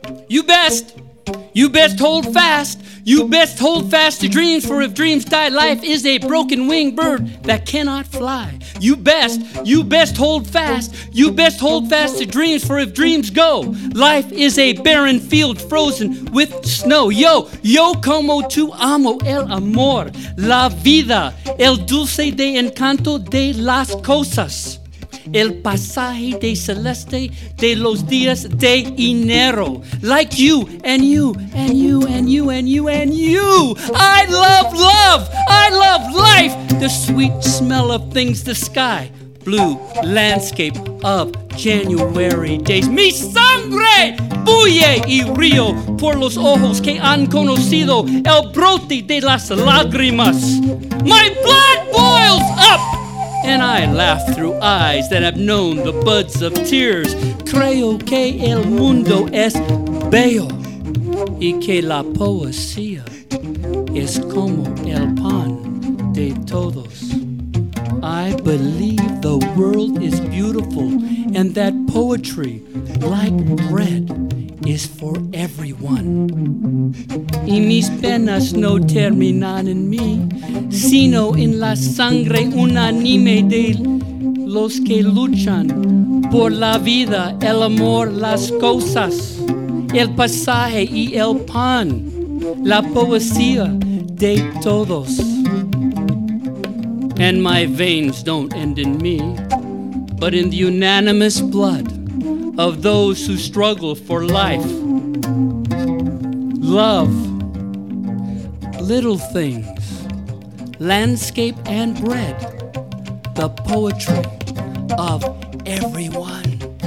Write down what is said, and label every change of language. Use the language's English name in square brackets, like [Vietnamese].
[English] You best hold fast, you best hold fast to dreams, for if dreams die, life is a broken winged bird that cannot fly. You best hold fast, you best hold fast to dreams, for if dreams go, life is a barren field frozen with snow. [Spanish] Yo, yo como tu amo el amor, la vida, el dulce de encanto de las cosas, el pasaje de celeste de los días de enero. [English] Like you, and you, and you, and you, and you, and you. I love love, I love life. The sweet smell of things, the sky, blue landscape of January days. [Spanish] Mi sangre bulle y río por los ojos que han conocido el brote de las lágrimas. [English] My blood boils up, and I laugh through eyes that have known the buds of tears. [Spanish] Creo que el mundo es bello y que la poesía es como el pan de todos. [English] I believe the world is beautiful and that poetry, like bread, is for everyone. [Spanish] Y mis penas no terminan en mí, sino en la sangre unánime de los que luchan por la vida, el amor, las cosas, el pasaje y el pan, la poesía de todos. [English] And my veins don't end in me, but in the unanimous blood of those who struggle for life. Love, little things, landscape and bread, the poetry of everyone.